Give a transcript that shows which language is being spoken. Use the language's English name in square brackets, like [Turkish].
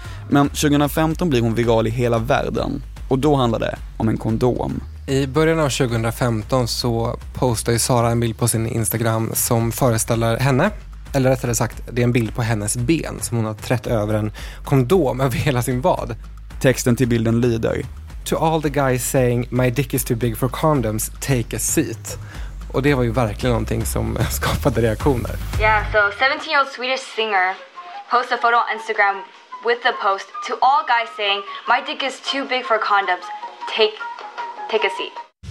[Swedish] Men 2015 blir hon viral i hela världen och då handlar det om en kondom. I början av 2015 så postade Sara en bild på sin Instagram som föreställer henne. Eller rättare sagt, det är en bild på hennes ben som hon har trätt över en kondom över hela sin vad. Texten till bilden lyder: [English] "To all the guys saying my dick is too big for condoms, take a seat." [Swedish] Och det var ju verkligen någonting som skapade reaktioner. [English] Yeah, so 17-year-old Swedish singer posts a photo on Instagram with the post "To all guys saying my dick is too big for condoms, take a seat."